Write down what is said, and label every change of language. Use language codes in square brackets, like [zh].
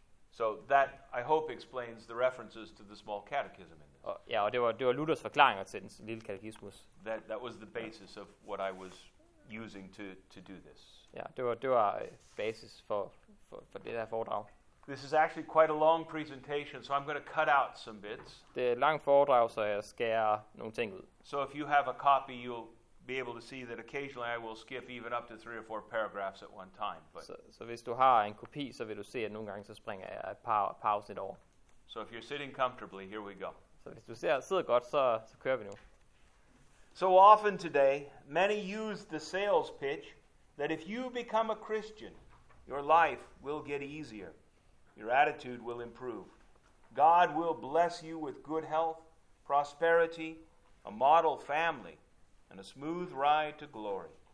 [en] So that I hope explains the references to the small catechism. [da] Ja, og det var Luthers forklaringer til den lille katekismus. [en] That was the basis of what I was using to do this. [da] Ja, det var basis for det her foredrag. [en] This is actually quite a long presentation, so I'm going to cut out some bits. [da] Det er et langt foredrag, så jeg skærer nogle ting ud. [en] So if you have a copy, you'll be able to see that occasionally I will skip even up to 3 or 4 paragraphs at one time. [da] Så hvis du har en kopi, så vil du se, at nogle gange så springer jeg et par afsnit over. [en] So if you're sitting comfortably, here we go. [da] Så hvis du sidder godt, så kører vi nu. [en] So often today, many use the sales pitch that if you become a Christian, your life will get easier. Your attitude will improve. God will bless you with good health, prosperity, a model family, and a smooth ride to glory.